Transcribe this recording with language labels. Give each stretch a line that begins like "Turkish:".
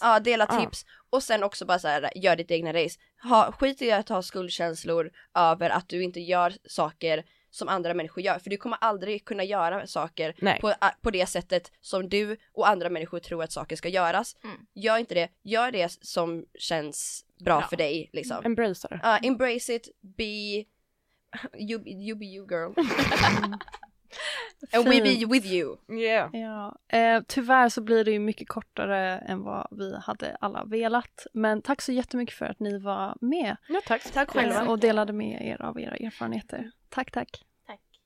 Swedish: Ja, dela tips och sen också bara så här, gör ditt egna race. Skit i att ha skuldkänslor över att du inte gör saker som andra människor gör, för du kommer aldrig kunna göra saker på det sättet som du och andra människor tror att saker ska göras. Gör inte det. Gör det som känns bra för dig liksom.
English: Embrace it. Embrace it, be you be you girl. And we be with you. Yeah.
Swedish: Ja. Tyvärr så blir det ju mycket kortare än vad vi hade alla velat. Men tack så jättemycket för att ni var med. Ja, tack. Tack själva. Och delade med er av era erfarenheter. Tack, tack. Tack.